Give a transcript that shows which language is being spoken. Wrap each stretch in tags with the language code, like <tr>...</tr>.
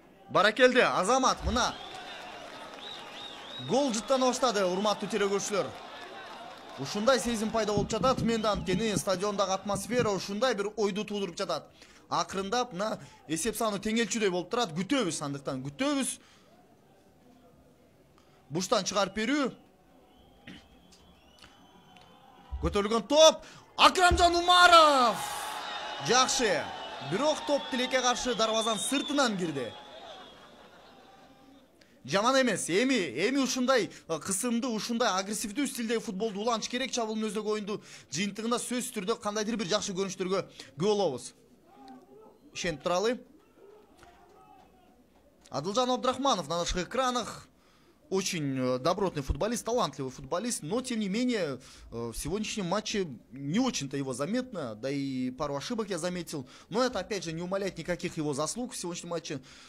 <ky>Баракелди Азамат мына гол жыттана баштады. Урматтуу телекөрүүчүлөр, ушундай сезим пайда болуп жатат менде, анткени стадиондагы атмосфера ушундай бир ойду туудуруп жатат. Акырындап мына эсеп саны теңелчүдөй болуп турат. Күтөбүз, андыктан күтөбүз буштан чыгарып берүү. Көтөрүлгөн топ, Акрамжан Умаров жакшы, бирок топ Тилекке каршы дарбазанын сыртынан кирди. Жаман эмес, эми ушундай кысымды, ушундай агрессивдүү стилдеги футболду уланыш керек. Чабуулдун өздөгү оюнду жыйынтыгында сөзсүз түрдө кандайдыр бир жакшы көрүнүштөргө күбө болобуз. Ишенип туралы.</ky> <ru>Адылжан Абдрахманов на наших экранах очень добротный футболист, талантливый футболист, но тем не менее в сегодняшнем матче не очень-то его заметно, да и пару ошибок я заметил, но это опять же не умаляет никаких его заслуг в сегодняшнем матче.</ru>